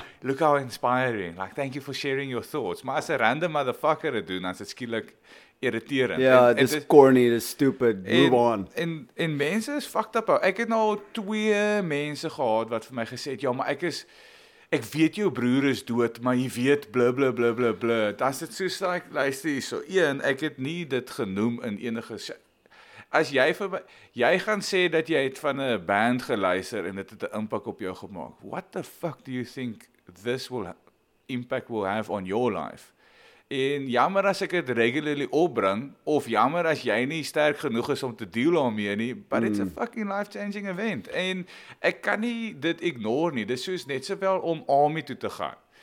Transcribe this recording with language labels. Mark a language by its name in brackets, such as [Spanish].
[English] Look how inspiring. Like, thank you for sharing your thoughts. [Afrikaans] Maar as 'n random motherfucker het doen, dan is dit skielik irriterend. Ja, yeah, dis corny, dis stupid, move on. En mense is fucked up. Ek het nou 2 mense gehad wat vir my gesê het, ja, maar ek weet jou broer is dood, maar jy weet blub, blub, blub, blub, blub. Dat is soos, like, luister hier so. 1, ek het nie dit genoem in enige... As jy vir my... Jy gaan sê dat jy het van 'n band geluister en dit het 'n impak op jou gemaakt. [English] What the fuck do you think this impact will have on your life? [Afrikaans] En jammer as ek het regularly opbring, of jammer as jy nie sterk genoeg is om te deal daarmee nie, [English] but it's a fucking life-changing event. [Afrikaans] En ek kan nie dit ignore nie, dis soos net sowel om army toe te gaan.